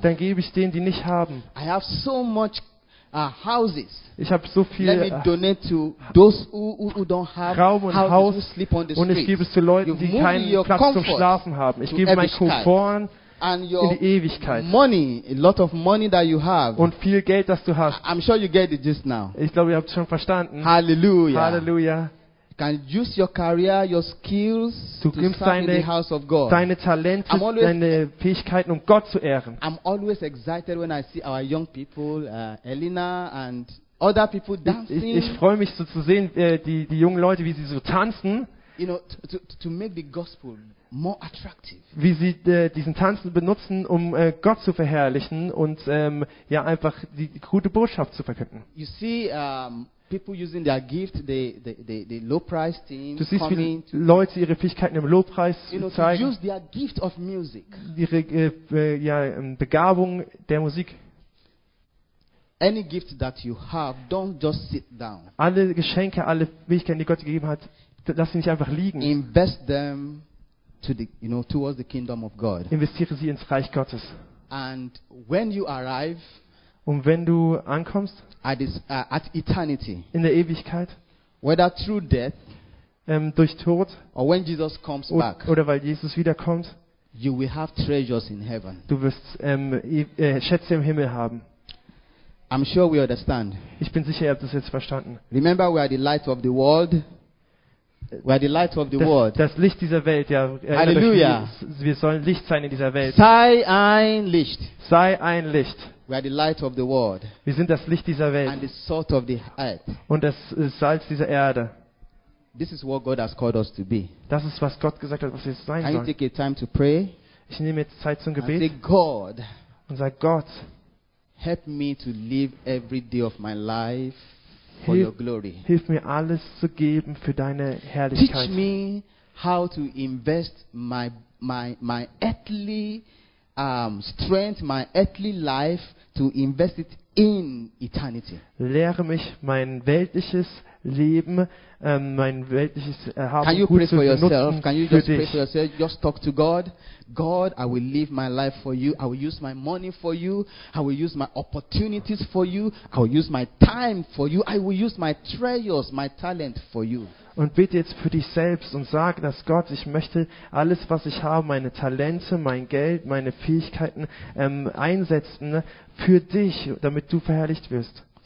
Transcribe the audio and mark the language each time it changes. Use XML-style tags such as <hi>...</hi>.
<de>Dann gebe ich denen, die nicht haben.</de> <en>I have so much houses.</en> <de>Ich habe so viel Raum und Haus und ich gebe es zu Leuten, die keinen Platz zum Schlafen haben. Ich gebe mein Komfort</de> <en>and</en> <de>in die Ewigkeit.</de> <en>Money, a lot of money that you have.</en> <de>Und viel Geld, das du hast.</de> <en>I'm sure you get it just now.</en> <de>Ich glaube, ihr habt es schon verstanden. Hallelujah. Hallelujah.</de> <en>Can use your career, your skills to serve in the house of God.</en> <de>Deine Talente,</de> <en>always,</en> <de>deine Fähigkeiten, um Gott zu ehren.</de> <en>I'm always excited when I see our young people, Elena and other people dancing.</en> <de>Ich freue mich so zu sehen, die jungen Leute, wie sie so tanzen.</de> <en>You know, to make the gospel more attractive.</en> <de>Wie sie diesen Tanzen benutzen, um Gott zu verherrlichen und einfach die gute Botschaft zu verkünden.</de> <en>You see, people using their gift, the low price team.</en> <de>Du siehst, wie Leute ihre Fähigkeiten im Lowpreis zeigen.</de> <en>To use their gift of music.</en> <de>Ihre Begabung der Musik.</de> <en>Any gift that you have, don't just sit down.</en> <de>Alle Geschenke, alle Fähigkeiten, die Gott gegeben hat, lass sie nicht einfach liegen.</de> <en>Invest them to the, you know, towards the kingdom of God.</en> <de>Investiere sie ins Reich Gottes.</de> <en>And when you arrive.</en> <de>Und wenn du ankommst,</de> <en>at eternity,</en> <de>in der Ewigkeit,</de> <en>whether through death,</en> <de>durch Tod,</de> <en>or when Jesus comes back,</en> <de>oder weil Jesus wiederkommt,</de> <en>you will have treasures in heaven.</en> <de>Du wirst Schätze im Himmel haben.</de> <en>I'm sure we understand.</en> <de>Ich bin sicher, ihr habt das jetzt verstanden.</de> <en>Remember, we are the light of the world. We're the light of the world.</en> <de>Das Licht dieser Welt, ja. Halleluja. Wir sollen Licht sein in dieser Welt. Sei ein Licht. Sei ein Licht.</de> <en>We are the light of the world.</en> <de>Wir sind das Licht dieser Welt.</de> <en>And the salt of the earth.</en> <de>Und das Salz dieser Erde.</de> <en>This is what God has called us to be.</en> <de>Das ist, was Gott gesagt hat, was wir sein sollen.</de> <en>Can you take a time to pray?</en> <de>Ich nehme jetzt Zeit zum Gebet.</de> <en>And say, God,</en> <de>und sag, Gott,</de> <en>help me to live every day of my life for your glory.</en> <de>Hilf mir, alles zu geben für deine Herrlichkeit.</de> <en>Teach me how to invest my earthly strength, my earthly life, to invest it in eternity.</en> <de>Lehre mich, mein weltliches Leben, mein weltliches Erhaben.</de> <en>Can you pray for yourself? Can you just pray for yourself? Just talk to God. God, I will live my life for you. I will use my money for you. I will use my opportunities for you. I will use my time for you. I will use my treasures, my talent for you.</en> <de>Und bitte jetzt für dich selbst und sag, dass Gott, ich möchte alles, was ich habe, meine Talente, mein Geld, meine Fähigkeiten einsetzen für dich, damit du verherrlicht wirst.</de>